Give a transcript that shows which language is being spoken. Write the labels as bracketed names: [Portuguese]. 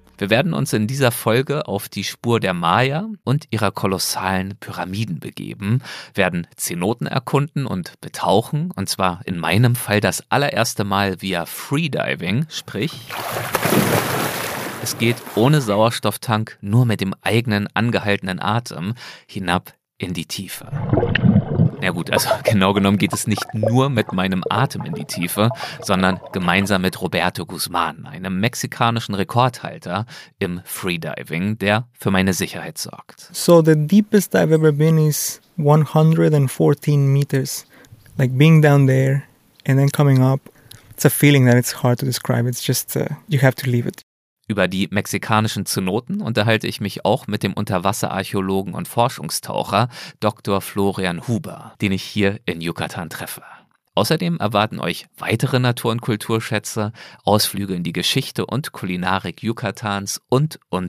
[German] Wir werden uns in dieser Folge auf die Spur der Maya und ihrer kolossalen Pyramiden begeben, werden Zenoten erkunden und betauchen, und zwar in meinem Fall das allererste Mal via Freediving, sprich, es geht ohne Sauerstofftank, nur mit dem eigenen angehaltenen Atem hinab in die Tiefe. Na gut, also genau genommen geht es nicht nur mit meinem Atem in die Tiefe, sondern gemeinsam mit Roberto Guzman, einem mexikanischen Rekordhalter im Freediving, der für meine Sicherheit sorgt. [English] So the deepest I've ever been is 114 meters. Like being down there and then coming up, it's a feeling that it's hard to describe. It's just, you have to leave it. [German] Über die mexikanischen Zenoten unterhalte ich mich auch mit dem Unterwasserarchäologen und Forschungstaucher Dr. Florian Huber, den ich hier in Yucatan treffe. Außerdem erwarten euch weitere Natur- und Kulturschätze, Ausflüge in die Geschichte und Kulinarik Yucatans und.